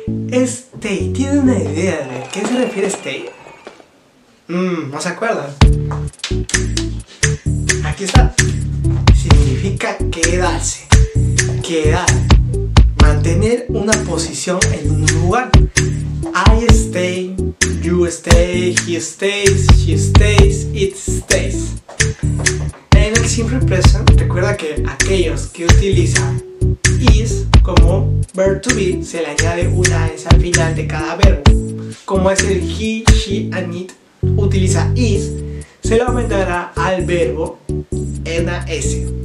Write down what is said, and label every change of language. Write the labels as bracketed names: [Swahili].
[Spanish] Stay, ¿tiene una idea de qué se refiere stay? ¿No se acuerdan? Aquí está. Significa quedarse, quedar, mantener una posición en un lugar. [English] I stay, you stay, he stays, she stays, it stays. [Spanish] En el simple present, recuerda que aquellos que utilizan is como [English] verb to be, [Spanish] se le añade una S al final de cada verbo. Como es el [English] he, she and it, [Spanish] utiliza is, se le aumentará al verbo en la S.